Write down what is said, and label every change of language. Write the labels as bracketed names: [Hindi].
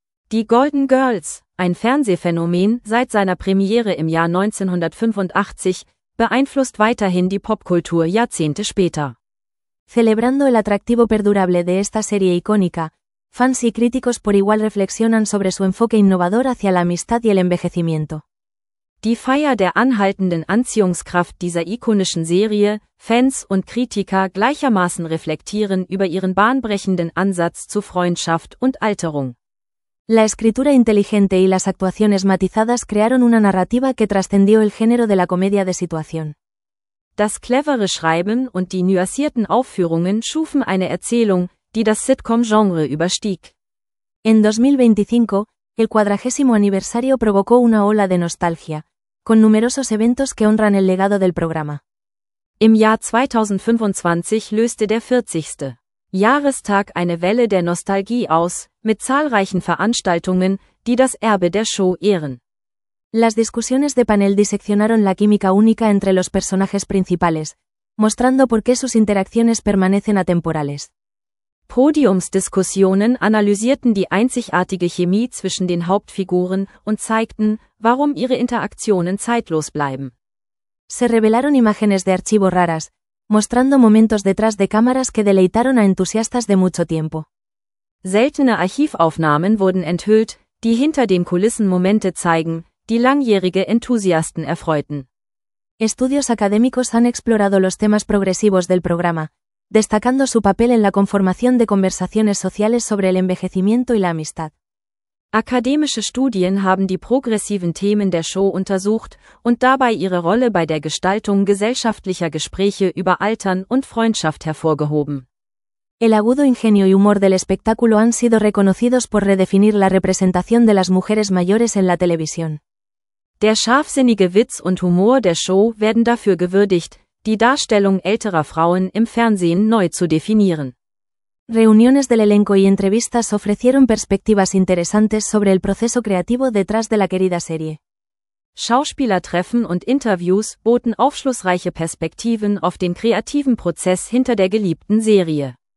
[German] Die Golden Girls, ein Fernsehphänomen seit seiner Premiere im Jahr 1985, beeinflusst weiterhin die Popkultur Jahrzehnte später. [Spanish] Celebrando el atractivo perdurable de esta serie icónica, fans y críticos por igual reflexionan sobre su enfoque innovador hacia la amistad y el envejecimiento. [German] Die Feier der anhaltenden Anziehungskraft dieser ikonischen Serie, Fans und Kritiker gleichermaßen reflektieren über ihren bahnbrechenden Ansatz zu Freundschaft und Alterung. [Spanish] La escritura inteligente y las actuaciones matizadas crearon una narrativa que trascendió el género de la comedia de situación. [German] Das clevere Schreiben und die nuancierten Aufführungen schufen eine Erzählung, die das Sitcom-Genre überstieg. [Spanish] En 2025, el cuadragésimo aniversario provocó una ola de nostalgia, con numerosos eventos que honran el legado del programa. [German] Im Jahr 2025 löste der 40. Jahrestag eine Welle der Nostalgie aus, mit zahlreichen Veranstaltungen, die das Erbe der Show ehren. [Spanish] Las discusiones de panel diseccionaron la química única entre los personajes principales, mostrando por qué sus interacciones permanecen atemporales. [German] Podiumsdiskussionen analysierten die einzigartige Chemie zwischen den Hauptfiguren und zeigten, warum ihre Interaktionen zeitlos bleiben. [Spanish] Se revelaron imágenes de archivo raras, mostrando momentos detrás de cámaras que deleitaron a entusiastas de mucho tiempo. [German] Seltene Archivaufnahmen wurden enthüllt, die hinter den Kulissen Momente zeigen, die langjährige Enthusiasten erfreuten. [Spanish] Estudios académicos han explorado los temas progresivos del programa, destacando su papel en la conformación de conversaciones sociales sobre el envejecimiento y la amistad. [German] Akademische Studien haben die progressiven Themen der Show untersucht und dabei ihre Rolle bei der Gestaltung gesellschaftlicher Gespräche über Altern und Freundschaft hervorgehoben. [Spanish] El agudo ingenio y humor del espectáculo han sido reconocidos por redefinir la representación de las mujeres mayores en la televisión. [German] Der scharfsinnige Witz und Humor der Show werden dafür gewürdigt, die Darstellung älterer Frauen im Fernsehen neu zu definieren. [Spanish] Reuniones del elenco y entrevistas ofrecieron perspectivas interesantes sobre el proceso creativo detrás de la querida serie. [German] Schauspielertreffen und Interviews boten aufschlussreiche Perspektiven auf den kreativen Prozess hinter der geliebten Serie.